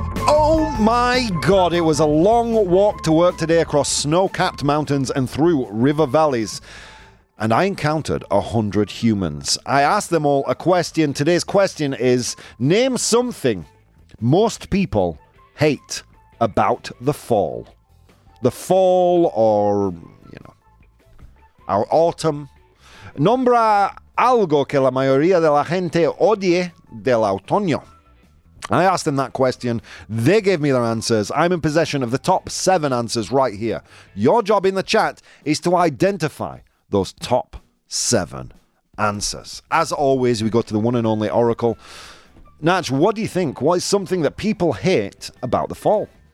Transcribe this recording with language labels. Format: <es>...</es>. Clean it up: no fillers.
<en>Oh my God, it was a long walk to work today across snow-capped mountains and through river valleys. and I encountered 100 humans. I asked them all a question. Today's question is, name something most people hate about the fall. The fall or, you know, our autumn.</en> <es>Nombra algo que la mayoría de la gente odie del otoño.</es> <en>I asked them that question. They gave me their answers. I'm in possession of the top 7 answers right here. Your job in the chat is to identify those top 7 answers. As always, we go to the one and only Oracle. Natch, what do you think? What is something that people hate about the fall?</en>